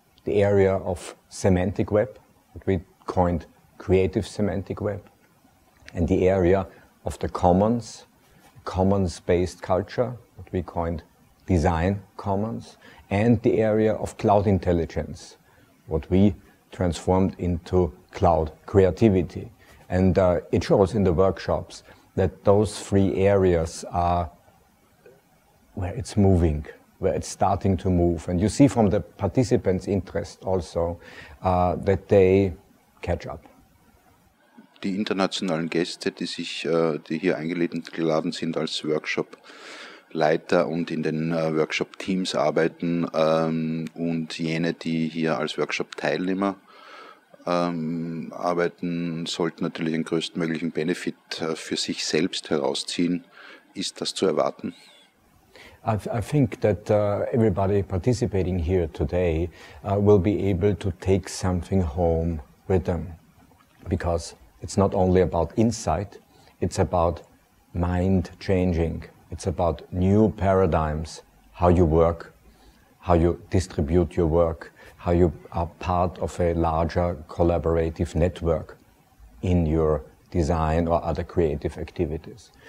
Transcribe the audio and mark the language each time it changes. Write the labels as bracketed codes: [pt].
[en] The area of semantic web, that we coined creative semantic web, and the area of the commons, commons-based culture, what we coined design commons, and the area of cloud intelligence, what we transformed into cloud creativity. And it shows in the workshops that those three areas are where it's moving, where it's starting to move. And you see from the participants' interest also that they catch up. [de] Die internationalen Gäste, die sich, die hier eingeladen sind als Workshop-Leiter und in den Workshop-Teams arbeiten und jene, die hier als Workshop-Teilnehmer arbeiten, sollten natürlich den größtmöglichen Benefit für sich selbst herausziehen. Ist das zu erwarten? [en] I think that everybody participating here today will be able to take something home with them, because it's not only about insight, it's about mind changing. It's about new paradigms, how you work, how you distribute your work, how you are part of a larger collaborative network in your design or other creative activities.